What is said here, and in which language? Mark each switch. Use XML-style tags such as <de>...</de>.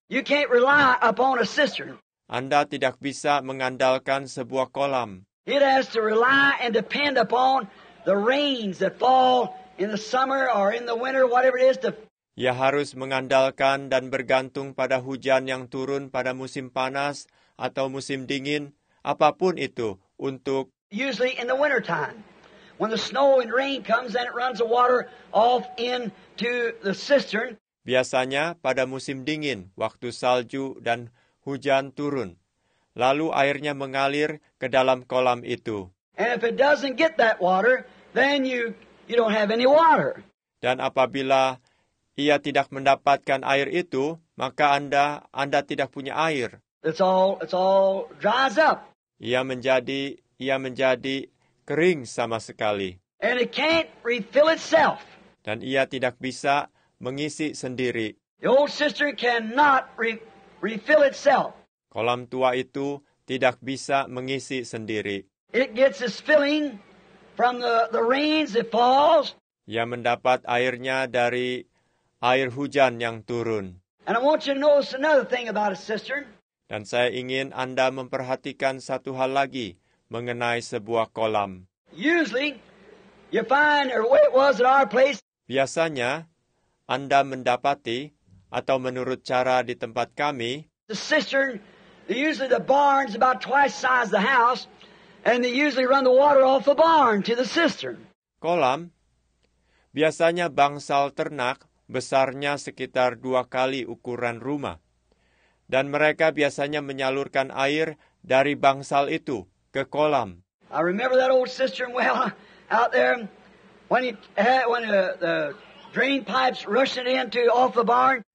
<en>You can't rely upon a cistern.</en> <id>Anda tidak bisa mengandalkan sebuah kolam.</id> <en>It has to rely and depend upon the rains that fall in the summer or in the winter, whatever it is to.</en> <id>Ia harus mengandalkan dan bergantung pada hujan yang turun pada musim panas atau musim dingin, apapun itu, untuk.</id> <en>Usually in the winter time, when the snow and rain comes, then it runs the water off into the cistern.</en> <id>Biasanya pada musim dingin, waktu salju dan hujan turun, lalu airnya mengalir ke dalam kolam itu.</id> <en>And if it doesn't get that water, then you don't have any water.</en> <id>Dan apabila ia tidak mendapatkan air itu, maka Anda tidak punya air.</id> <en>It's all dries up.</en> <id>Ia menjadi kering sama sekali.</id> <en>And it can't refill itself.</en> <id>Dan ia tidak bisa mengisi sendiri.</id> <en>The old cistern cannot refill itself.</en> <id>Kolam tua itu tidak bisa mengisi sendiri.</id> <en>It gets its filling from the rains that falls.</en> <id>Ia mendapat airnya dari air hujan yang turun.</id> <en>And I want you to notice another thing about a cistern.</en> <id>Dan saya ingin Anda memperhatikan satu hal lagi mengenai sebuah kolam.</id> <en>Usually, you find or where it was at our place.</en> <id>Biasanya, Anda mendapati atau menurut cara di tempat kami.</id> <en>The cistern, usually the barn is about twice the size of the house, and they usually run the water off the barn to the cistern.</en> <id>Kolam, biasanya bangsal ternak besarnya sekitar dua kali ukuran rumah. Dan mereka biasanya menyalurkan air dari bangsal itu ke kolam.</id> <en>I remember that old sister well out there when the drain pipes rushing into off the barn.</en>